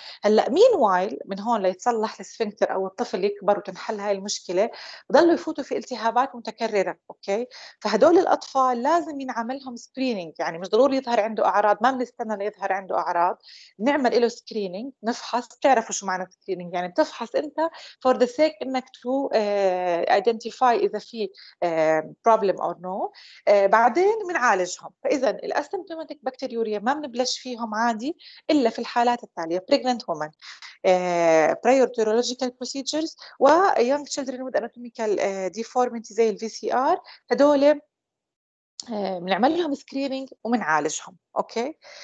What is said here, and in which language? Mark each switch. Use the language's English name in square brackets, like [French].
[Arabic] هلا مين وايل من هون ليتصلح السفنكتر او الطفل يكبر وتنحل هاي المشكله بضلوا يفوتوا في التهابات متكرره اوكي، فهدول الاطفال لازم ينعمل لهم سكرينينج، يعني مش ضروري يظهر عنده اعراض ما بنستنى ليظهر عنده اعراض، نعمل له سكرينينج نفحص. تعرفوا شو معنى سكرينينج؟ يعني تفحص انت [English] for the sake انك to identify [Arabic] إذا في [English] problem or no. [Arabic] بعدين منعالجهم. [English] فإذا الأسيمبتوماتيك بكتيريوريا [Arabic] ما منبلش فيهم عادي إلا في الحالات التالية: [English] pregnant women, prior urological procedures, و young children with anatomical deformity زي VCR. [Arabic] هدول منعمل لهم screening ومنعالجهم. أوكي.